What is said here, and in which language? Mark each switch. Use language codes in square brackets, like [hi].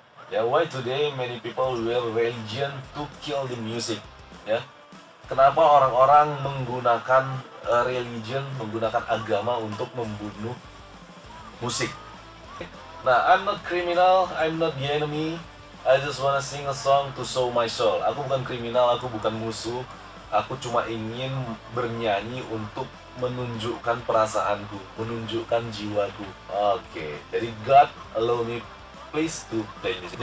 [en] Ya, why today many people wear religion to kill the music? [id] Ya, kenapa orang-orang menggunakan religion, menggunakan agama untuk membunuh musik? [en] Nah, I'm not criminal, I'm not the enemy. I just wanna sing a song to show my soul. [id] Aku bukan kriminal, aku bukan musuh. Aku cuma ingin bernyanyi untuk menunjukkan perasaanku, menunjukkan jiwaku. Oke, jadi [en] God allow me please to play music.